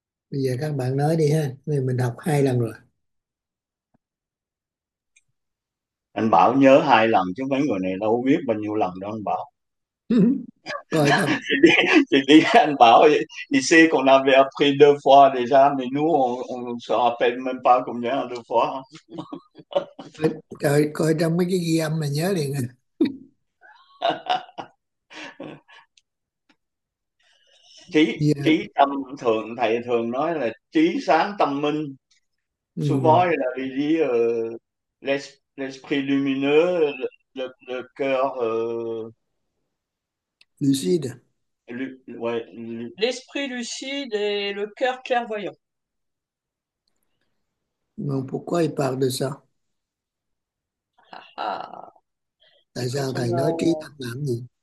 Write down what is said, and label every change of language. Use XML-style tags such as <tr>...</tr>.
<vi>Bây giờ các bạn nói đi ha, mình học hai lần rồi. Anh Bảo nhớ hai lần chứ mấy người này đâu biết bao nhiêu lần đâu anh Coi không? Bảo. Chị đi anh Bảo</vi> <fr>ici qu'on avait appris deux fois déjà mais nous on se rappelle même pas combien deux fois.</fr> <vi>Trời, coi trong mấy cái ghi âm mà nhớ liền à. Trí tâm thường thầy thường nói là trí sáng tâm minh,</vi> <fr>souvent il a dit l'esprit lumineux, Lucide. le cœur, L'esprit lucide et le cœur clairvoyant. Non, pourquoi il parle de ça? Ah,</fr> <vi>Tại sao thầy nói trí tâm làm gì?</vi>